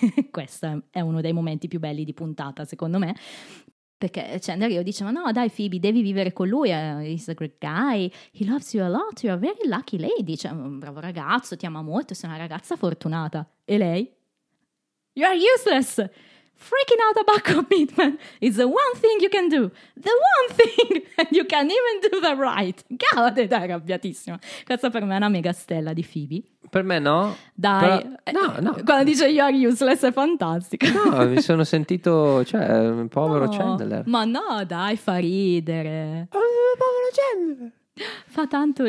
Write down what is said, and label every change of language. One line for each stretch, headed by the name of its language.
Italian: Questo è uno dei momenti più belli di puntata, secondo me. Perché Chandler io dicevo, no dai Phoebe, devi vivere con lui,
English: he's a great guy, he loves you a lot, you're a very lucky lady,
Italian: cioè un bravo ragazzo, ti ama molto, sei una ragazza fortunata. E lei?
English: You are useless. Freaking out about commitment is the one thing you can do. The one thing and you can even do the right.
Italian: God, è arrabbiatissima. Questa per me è una mega stella di Phoebe. Per me no. Dai. Però, no, no. Quando dice
English: you are useless
Italian: è fantastico. No, mi sono sentito, cioè, povero no, Chandler. Ma no, dai, fa ridere. Povero Chandler. Fa tanto ridere.